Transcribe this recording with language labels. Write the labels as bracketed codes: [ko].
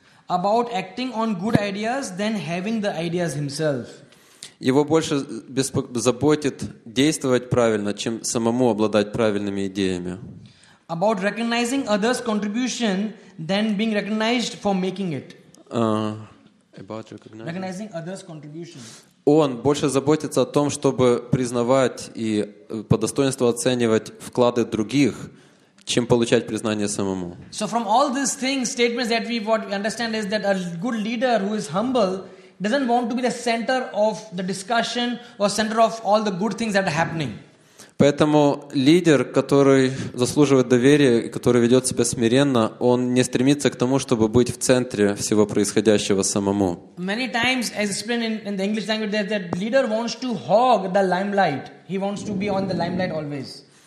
[en] About acting on good ideas than having the ideas himself. [ru] Его больше заботит действовать правильно, чем самому обладать правильными идеями. [en] About recognizing others' contribution than being recognized for making it. About recognizing others' contribution. [ru] Он больше заботится о том, чтобы признавать и по достоинству оценивать вклады других, чем получать признание самому. [en] So from all these things, statements that we understand is that a good leader who is humble doesn't want to be the center of the discussion or center of all the good things that are happening. [ru] Поэтому лидер, который заслуживает доверия, который ведет себя смиренно, он не стремится к тому, чтобы быть в центре всего происходящего самому. [en] Many times, as explained in the English language, that that leader wants to hog the limelight. He wants to be on the limelight always.